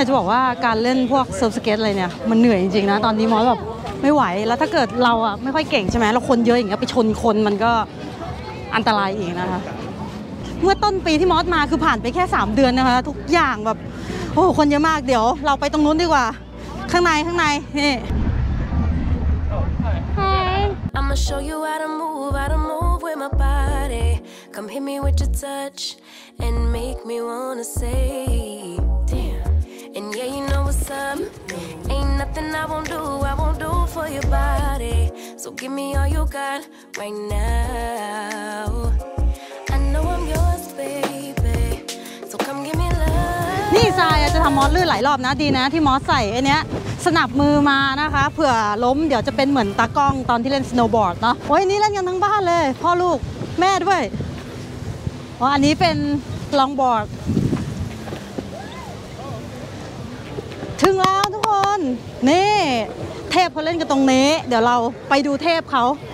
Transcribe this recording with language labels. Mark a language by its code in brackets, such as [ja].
[th] ากจะบอกว่าการเล่นพวกเซิร์ฟสเก็ตอะไรเนี่ยมันเหนื่อยจริงๆนะตอนนี้มอสแบบไม่ไหวแล้วถ้าเกิดเราอ่ะไม่ค่อยเก่งใช่ไหมแล้วคนเยอะอย่างเงี้ยไปชนคนมันก็อันตรายอีกนะคะเมื่อต้นปีที่มอสมาคือผ่านไปแค่3เดือนนะคะทุกอย่างแบบโอ้คนเยอะมากเดี๋ยวเราไปตรงนู้นดีกว่าข้างในข้างในนี่ [en] I'ma show you how to move with my body. Come hit me with your touch and make me wanna say, damn. And yeah, you know what's up. Ain't nothing I won't do for your body. So give me all you got right now. I know I'm yours, baby. So come give me love. [th] นี่ซายจะทำมอสลื่นหลายรอบนะดีนะที่มอสใส่ไอ้นี้สนับมือมานะคะเผื่อล้มเดี๋ยวจะเป็นเหมือนตากล้องตอนที่เล่นสโนว์บอร์ดเนาะโอ้ยนี่เล่นกันทั้งบ้านเลยพ่อลูกแม่ด้วยอ๋ออันนี้เป็นลองบอร์ดถึงแล้วทุกคนนี่เทพเขาเล่นกันตรงนี้เดี๋ยวเราไปดูเทพเขา